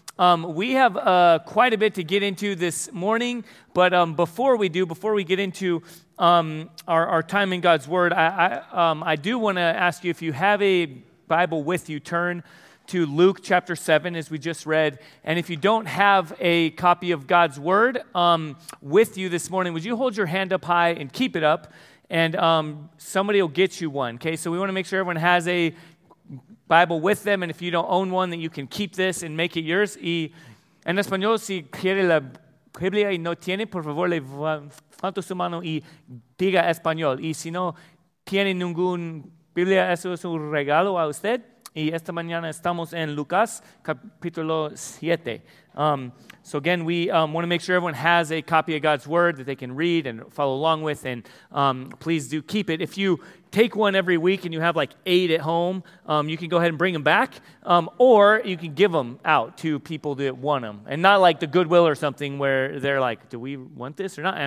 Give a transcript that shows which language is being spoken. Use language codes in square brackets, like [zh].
[en] We have quite a bit to get into this morning, but before we get into our time in God's Word, I do want to ask you, if you have a Bible with you, turn to Luke chapter 7, as we just read. And if you don't have a copy of God's Word with you this morning, would you hold your hand up high and keep it up? And somebody will get you one, okay? So we want to make sure everyone has a Bible with them, and if you don't own one, that you can keep this and make it yours. [es] Y en español, si quiere la Biblia y no tiene, por favor, levante su mano y diga español. Y si no tiene ningún Biblia, eso es un regalo a usted. Y esta mañana estamos en Lucas, capítulo 7. [en] So again, we want to make sure everyone has a copy of God's Word that they can read and follow along with, and please do keep it. If you take one every week and you have like eight at home, you can go ahead and bring them back, or you can give them out to people that want them, and not like the Goodwill or something where they're like, do we want this or not?